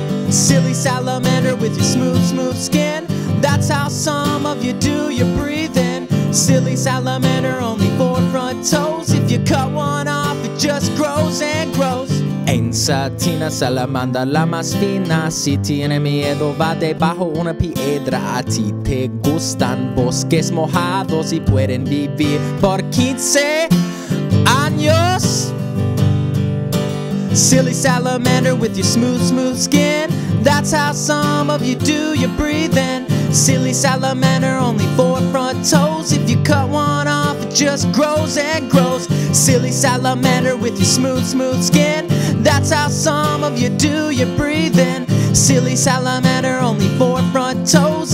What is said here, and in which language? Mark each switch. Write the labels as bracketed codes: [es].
[en] Silly salamander with your smooth, smooth skin. That's how some of you do your breathing. Silly salamander, only four front toes. If you cut one off, it just grows and grows. [es] Ensatina salamander, la más fina. Si tiene miedo, va debajo una piedra. A ti te gustan bosques mojados y pueden vivir por 15 años. [en] Silly salamander with your smooth, smooth skin. That's how some of you do your breathing. Silly salamander, only four front toes. If you cut one off, it just grows and grows. Silly salamander with your smooth, smooth skin. That's how some of you do your breathing. Silly salamander, only four front toes.